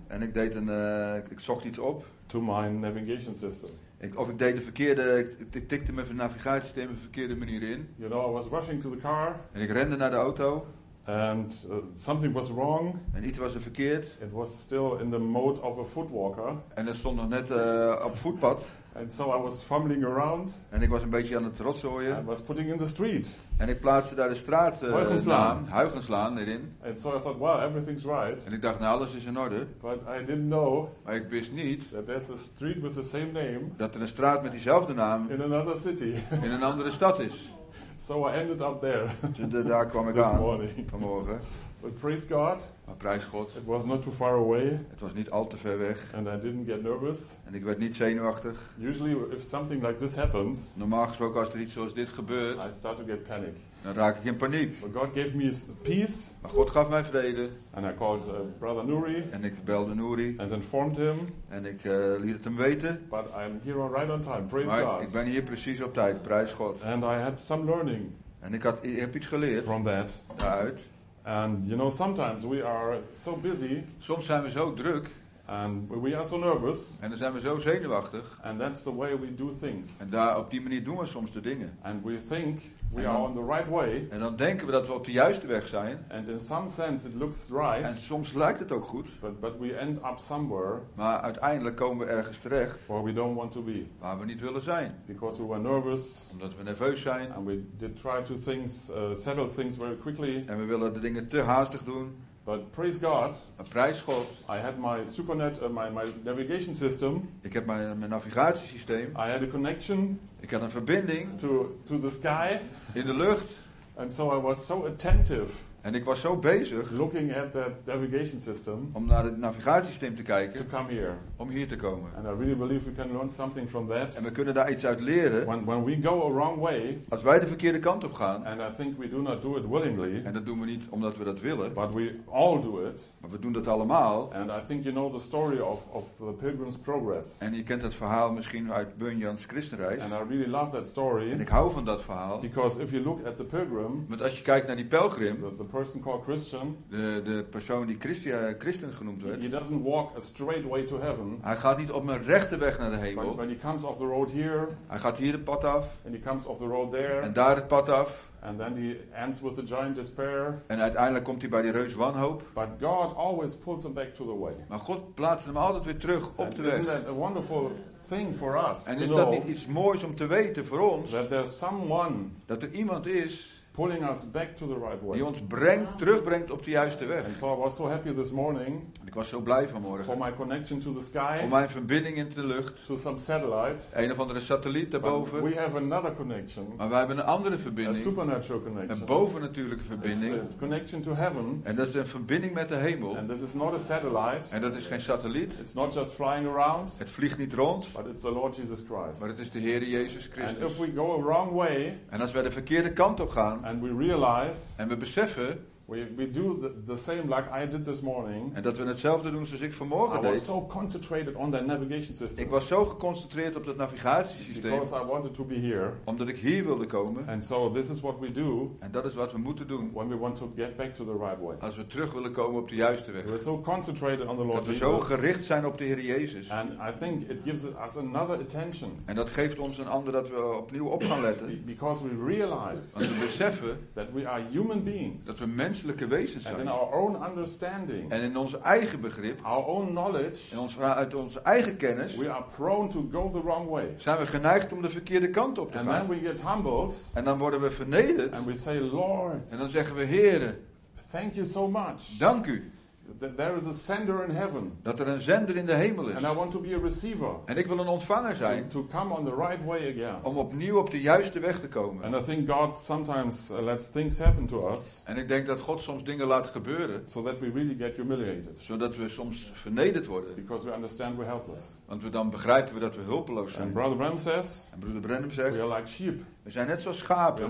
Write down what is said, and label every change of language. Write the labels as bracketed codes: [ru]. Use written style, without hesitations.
[nl] En ik deed ik zocht iets op. [en] To my navigation system. [nl] Ik tikte mijn navigatiesysteem een verkeerde manier in. [en] You know, I was rushing to the car. [nl] En ik rende naar de auto. [en] And something was wrong. [nl] En iets was er verkeerd. [en] It was still in the mode of a footwalker. [nl] En het stond nog net op voetpad. [en] And so I was fumbling around. [nl] En ik was een beetje aan het rotzooien. [en] I was putting in the street. [nl] En ik plaatste daar de straat Huygenslaan erin. [en] And so I thought, well, everything's right. [nl] En ik dacht, nou, alles is in orde. [en] But I didn't know. [nl] Maar ik wist niet. [en] That there's a street with the same name. [nl] Dat er een straat met diezelfde naam. [en] In another city. [nl] In een andere stad is. [en] So I ended up there. [nl] Daar kwam ik [en] this [nl] aan. [en] Morning. [nl] Vanmorgen. [en] But praise God. [nl] Maar prijs God. [en] It was not too far away. [nl] Het was niet al te ver weg. [en] And I didn't get nervous. [nl] En ik werd niet zenuwachtig. [en] Usually if something like this happens, [nl] normaal gesproken als er iets zoals dit gebeurt, [en] I start to get panic. [nl] Dan raak ik in paniek. [en] But God gave me peace. [nl] Maar God gaf mij vrede. [en] And I called brother Nuri. [nl] En ik belde Nuri. [en] And informed him. [nl] En ik liet het hem weten. [en] But I'm here right on time. Praise [nl] maar [en] God. [nl] Maar ik ben hier precies op tijd. Prijs God. [en] And I had some learning. [nl] En ik heb iets geleerd. [en] From that. [nl] Daaruit. [en] And you know, sometimes we are so busy. [nl] Soms zijn we zo druk. [en] And we are so nervous. [nl] En dan zijn we zo zenuwachtig. [en] And that's the way we do things. [nl] En daar op die manier doen we soms de dingen. [en] And we think we are on the right way. [nl] En dan denken we dat we op de juiste weg zijn. [en] And in some sense it looks right. [nl] En soms lijkt het ook goed. [en] But we end up somewhere. [nl] Maar uiteindelijk komen we ergens terecht. [en] Where we don't want to be. [nl] Waar we niet willen zijn. [en] Because we were nervous. [nl] Omdat we nerveus zijn. [en] And we did try to things settle things very quickly. [nl] En we willen de dingen te haastig doen. [en] But praise God. [nl] Maar prijs God. [en] I had my supernet my navigation system. [nl] Ik heb mijn navigatiesysteem. [en] I had a connection. [nl] Ik had een verbinding [en] to the sky. [nl] In de lucht. [en] And so I was so attentive. [nl] En ik was zo bezig [en] looking at that navigation system. [nl] Om naar het navigatiesysteem te kijken. [en] To come here. [nl] Om hier te komen. [en] And I really believe we can learn something from that. [nl] En we kunnen daar iets uit leren. [en] When we go a wrong way. [nl] Als wij de verkeerde kant op gaan. [en] And I think we do not do it willingly. [nl] En dat doen we niet omdat we dat willen. [en] But we all do it. [nl] Maar we doen dat allemaal. [en] And I think you know the story of the Pilgrim's Progress. [nl] En je kent dat verhaal misschien uit Bunyan's Christenreis. [en] And I really love that story. [nl] En ik hou van dat verhaal. [en] Because if you look at the pilgrim. [nl] Want als je kijkt naar die pelgrim. [en] Person called Christian. [nl] De persoon die Christen genoemd werd. [en] He doesn't walk a straight way to heaven. [nl] Hij gaat niet op een rechte weg naar de hemel. [en] But he comes off the road here. [nl] Hij gaat hier het pad af. [en] And he comes off the road there. [nl] En daar het pad af. [en] And then he ends with the giant despair. [nl] En uiteindelijk komt hij bij die reus wanhoop. [en] But God always pulls him back to the way. [nl] Maar God plaatst hem altijd weer terug op [en] and [nl] de weg. [en] Isn't that a wonderful thing for us? [nl] En is dat niet iets moois om te weten voor ons? [en] That there's someone. [nl] Dat er iemand is. [en] Pulling us back to the right way. [nl] Die ons terugbrengt op de juiste weg. [en] And so I was so happy this morning. [nl] Ik was zo blij vanmorgen. [en] For my connection to the sky. [nl] Voor mijn verbinding in de lucht. [en] To some satellites. [nl] Een of andere satelliet daarboven. [en] But we have another connection. [nl] Maar wij hebben een andere verbinding. [en] A supernatural connection. [nl] Een bovennatuurlijke verbinding. [en] It's a connection to heaven. [nl] En dat is een verbinding met de hemel. [en] And this is not a satellite. [nl] En dat is geen satelliet. [en] It's not just flying around. [nl] Het vliegt niet rond. [en] But it's the Lord Jesus Christ. [nl] Maar het is de Heere Jezus Christus. [en] And if we go a wrong way. [nl] En als wij de verkeerde kant op gaan. [en] And we realize, [nl] en we beseffen, [en] we do the same like I did this morning. [nl] En dat we hetzelfde doen zoals ik vanmorgen deed. [en] I was so concentrated on that navigation system. [nl] Ik was zo geconcentreerd op dat navigatiesysteem. [en] Because I wanted to be here. [nl] Omdat ik hier wilde komen. [en] And so this is what we do. [nl] En dat is wat we moeten doen. [en] When we want to get back to the right way. [nl] Als we terug willen komen op de juiste weg. [en] We're so concentrated on the Lord Jesus. [nl] Dat we zo gericht zijn op de Heer Jezus. [en] And I think it gives us another attention. [nl] En dat geeft ons een ander dat we opnieuw op gaan letten. [en] Because we realize. [nl] Want we beseffen [en] that we are human beings. [nl] Dat we mensen zijn. [en] And in our own understanding, [nl] en in ons eigen begrip, [en] our own knowledge, [nl] en uit onze eigen kennis, [en] we are prone to go the wrong way. [nl] Zijn we geneigd om de verkeerde kant op te [en] and [nl] gaan. [en] And then we get humbled, [nl] en dan worden we vernederd, [en] and we say, Lord, [nl] en dan zeggen we, Heere, [en] thank you so much. [nl] Dank u. [en] There is a sender in heaven. [nl] Dat er een zender in de hemel is. [en] And I want to be a receiver. [nl] En ik wil een ontvanger zijn. [en] To come on the right way again. [nl] Om opnieuw op de juiste weg te komen. [en] And I think God sometimes lets things happen to us. [nl] En ik denk dat God soms dingen laat gebeuren. [en] So that we really get humiliated. [nl] Zodat we soms vernederd worden. [en] Because we understand we're helpless. [nl] Want we dan begrijpen we dat we hulpeloos zijn. [en] And Brother Branham says. [nl] En Broeder Branham zegt. [en] We are like sheep. [nl] We zijn net zoals schapen.